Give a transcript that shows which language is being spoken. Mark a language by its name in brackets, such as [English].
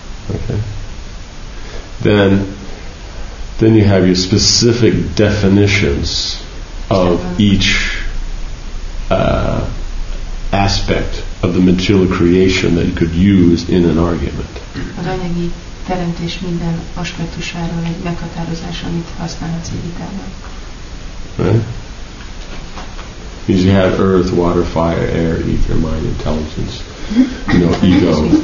[English] Okay. Then you have your specific definitions of each aspect of the material creation that you could use in an argument. [Hungarian] teremtés minden aspektusáról egy meghatározás, amit használhatsz egy vitában. [English] Right? Because you have earth, water, fire, air, ether, mind, intelligence, you know, ego.